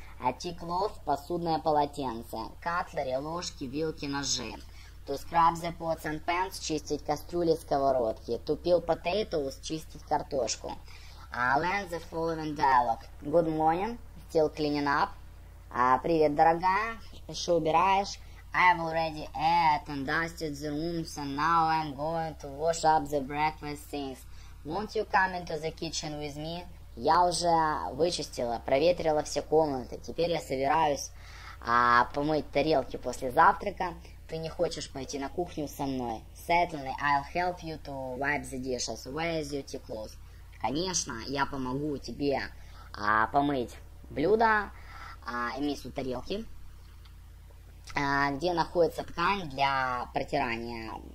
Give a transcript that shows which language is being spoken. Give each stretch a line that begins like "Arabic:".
English: A tea cloth,
Russian: посудное полотенце. Cutlery, ложки, вилки, ножи.
English: To scrub the pots and pans,
Russian: чистить кастрюли, сковородки.
English: To peel potatoes,
Russian: чистить картошку.
English: Learn the following dialogue. Good morning, still cleaning up.
Russian: Привет, дорогая, что убираешь?
English: I've already ate and dusted the rooms, and now I'm going to wash up the breakfast things. Won't you come into the kitchen with me?
Russian: Я уже вычистила, проветрила все комнаты. Теперь я собираюсь помыть тарелки после завтрака. Ты не хочешь пойти на кухню со мной?
English: Certainly, I'll help you to wipe the dishes. Where is your tea cloth?
Russian: Конечно, я помогу тебе помыть блюда, имеется в виду тарелки. Где находится ткань для протирания?